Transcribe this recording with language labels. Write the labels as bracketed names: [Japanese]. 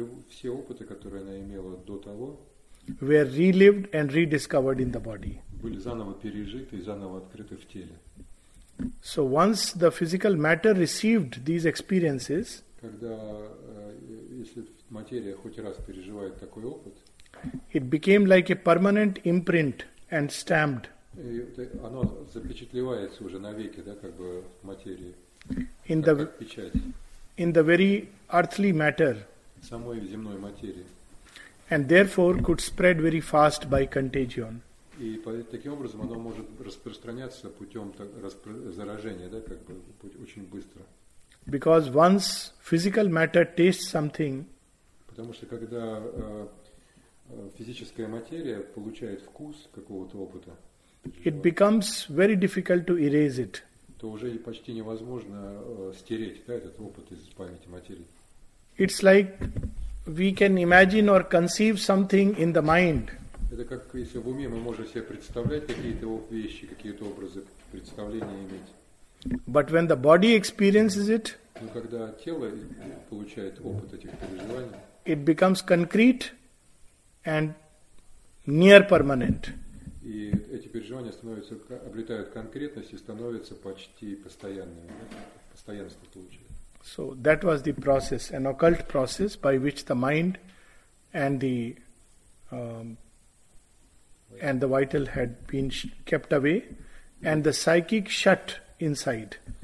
[Russian] Все опыты, которые она имела до того. [English] Were relived and rediscovered in the body. [Russian] Были заново пережиты и заново открыты в теле. [English] So once the physical matter received these experiences. [Russian] Когда если материя хоть раз переживает такой опыт. [English] It became like a permanent imprint and stamped. [Russian] И оно запечатлевается уже навеки, да, как бы в материи. [English] In [Russian] как печать. [English] In the very earthly matter. [Russian] В самой земной материи. [English] And therefore could spread very fast by contagion. [Russian] И таким образом оно может распространяться путем заражения, да, как бы очень быстро. [English] Because once physical matter tastes something. [Russian] Потому что когда физическая материя получает вкус какого-то опыта. [English] It becomes very difficult to erase it. [Russian] То уже почти невозможно стереть, да, этот опыт из памяти материи. [English] It's like we can imagine or conceive something in the mind. [Russian] Это как если в уме мы можем себе представлять какие-то вещи, какие-то образы, представления иметь. [English] But when the body experiences it, [Russian] но когда тело получает опыт этих переживаний, [English] it becomes concrete and near permanent. [Russian] И эти переживания становятся, обретают конкретность и становятся почти постоянными. Да? Постоянство получают. [English] So that was the process, an occult process by which the mind and the vital had been kept away and the psychic shut inside.